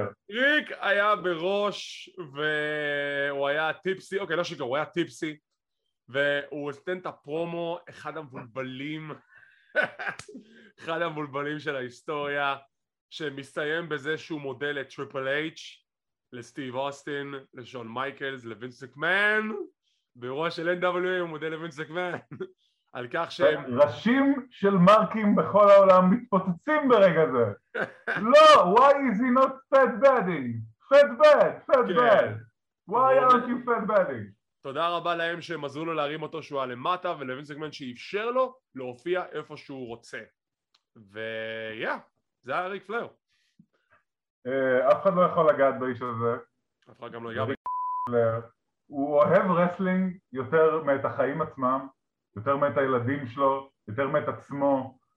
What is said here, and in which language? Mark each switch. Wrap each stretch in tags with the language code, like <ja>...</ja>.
<he>ריק היה בראש, והוא היה טיפסי, אוקיי, לא שיקור, הוא היה טיפסי, והוא נתן את הפרומו, אחד המבולבלים, אחד המבולבלים של ההיסטוריה, שמסתיים בזה שהוא מודל לטריפל אייץ', לסטיב אוסטין, לשון מייקלס, לווינס מקמן, באירוע של NWA הוא מודל לווינס מקמן, על כך שהם... ראשים של מרקים בכל העולם מתפוצצים ברגע זה.</he> <en>לא, why is he not fat bedding? Fat bed, fat bed. Why aren't you fat bedding?</en> <he>תודה רבה להם שהם עזרו לו להרים אותו שהוא היה למטה, ולווינס מקמן שאיפשר לו להופיע איפה שהוא רוצה. ויה, זה היה ריק פלייר. אף אחד לא יכול לגעת באיש הזה. אף אחד גם לא יגע בפלייר. הוא אוהב רסלינג יותר מאת החיים עצמם, יותר מאת הילדים שלו, יותר מאת עצמו.</he>